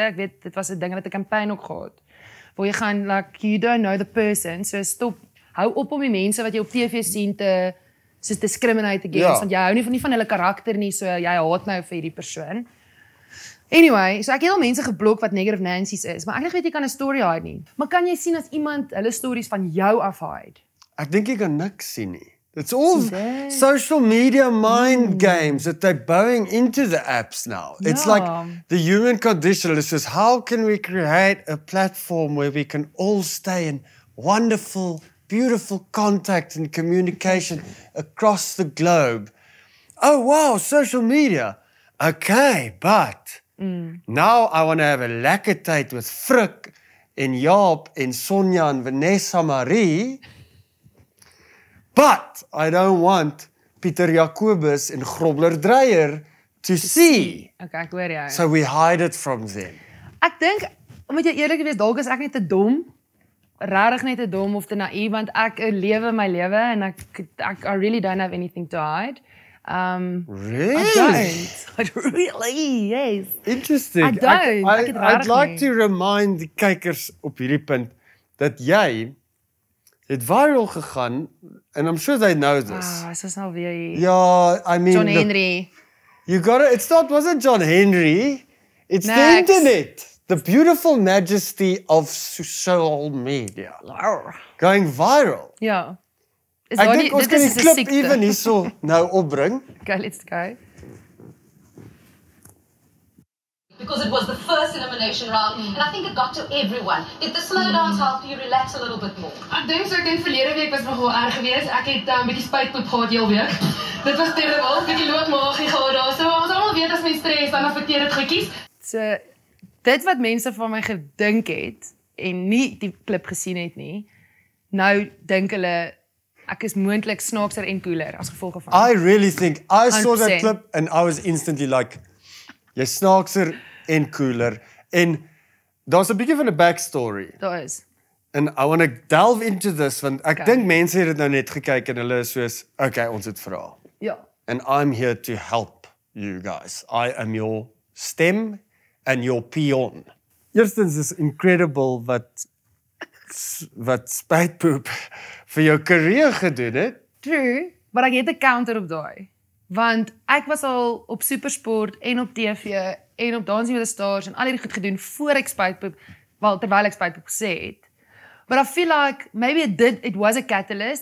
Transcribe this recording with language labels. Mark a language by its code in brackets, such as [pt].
[af] Ek weet, dit was 'n ding wat ek in pyn ook gehad. Waar jy gaan, [en] like, you don't know the person, so stop, [af] hou op om die mense wat jy op TV sien te, soos [en] discriminate against, [af] want jy hou nie van hulle karakter nie, so jy haat nou vir die persoon. Anyway, so ek het al mense geblok wat negative Nancy's is, maar ek dink jy kan 'n story hide nie. Maar kan jy sien as iemand hulle stories van jou af hide? Ek dink jy kan niks sien nie. [en] It's all social media mind games that they're bowing into the apps now. Yeah. It's like the human condition. It says, how can we create a platform where we can all stay in wonderful, beautiful contact and communication across the globe? Oh, wow, social media. Okay, but now I want to have a lekkertyd with Frik en Jaap en Sonja en Vanessa Marie. But I don't want Pieter Jacobus en Grobler Dreyer to see. [af] Okay, ek hoor jou. [en] So we hide it from them. [af] Ek dink, om jy eerlik te wees, dalk is ek net te dom. Rarig net te dom of te naïef, want ek lewe my lewe en ek [en] I really don't have anything to hide. Really? I don't, yes. Interesting. I don't. I'd like to remind the kijkers [af] op hierdie punt dat jy het viral gegaan. [en] And I'm sure they know this. John Henry. Wasn't John Henry. It's Next. The internet. The beautiful majesty of social media. Going viral. Yeah. I think Oscar is clip even he saw now opbring. Okay, let's go. Because it was the first elimination round, and I think it got to everyone. Did the slow dance help you relax a little bit more? I think so. I think [af] verlede week was nogal erg geweest. Ek het bietjie spytpoep gehad die hele week. Dit was terrible. Bietjie loodmaagie gehad daar. So ons almal weet as mens stres, dan affekteer dit goedjies. So dit wat mense van my gedink het en nie die klip gesien het nie, nou dink hulle ek is moontlik snaakser en cooler as gevolg van. [en] I really think I 100%. Saw that clip and I was instantly like, [af] jy snaakser en cooler. En daar's 'n bietjie van 'n backstory. Daar is. [en] And I want to delve into this, [af] want ek dink mense het dit nou net gekyk en hulle is soos, okay, ons het vrae. Ja. [en] And I'm here to help you guys. I am your stem and your peon. [af] Eerstens is incredible wat spytpoep vir jou karier gedoen het. [en] True, [af] maar ek het 'n counter op daai. Want ek was al op supersport en op TV en op Dancing with the Stars en al hierdie goed gedoen voor ek spytpoep, terwyl ek spytpoep gesê het. [en] But I feel like maybe it was a catalyst.